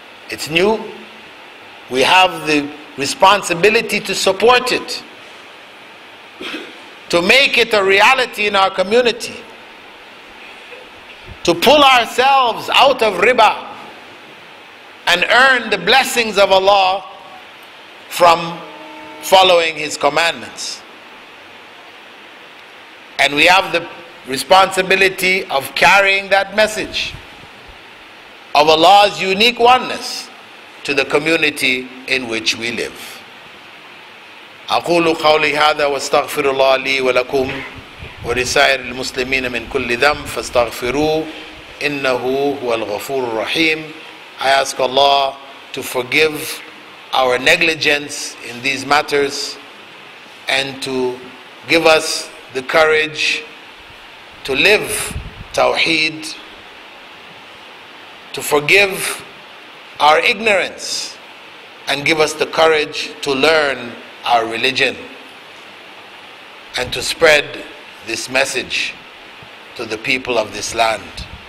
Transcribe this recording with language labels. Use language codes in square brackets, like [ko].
[en] It's new. We have the responsibility to support it, to make it a reality in our community, to pull ourselves out of riba and earn the blessings of Allah from following His commandments. And we have the responsibility of carrying that message of Allah's unique oneness to the community in which we live. [ar] أقول قولي هذا واستغفر الله لي ولكم ولسائر المسلمين من كل ذنب فاستغفروه إنه هو الغفور الرحيم. [en] I ask Allah to forgive our negligence in these matters and to give us the courage to live Tawheed, to forgive our ignorance and give us the courage to learn our religion and to spread this message to the people of this land.